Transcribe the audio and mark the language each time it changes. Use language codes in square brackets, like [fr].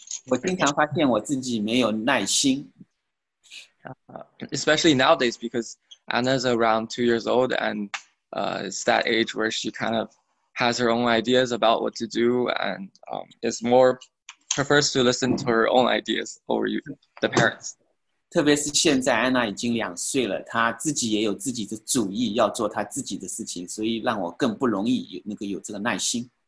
[zh] 我经常发现我自己没有耐心。 [en] Especially nowadays because Anna's around 2 years old and it's that age where she kind of has her own ideas about what to do and is more... prefers to listen to her own ideas over you, the parents. [zh] 特别是现在安娜已经两岁了，她自己也有自己的主意，要做她自己的事情，所以让我更不容易有那个有这个耐心。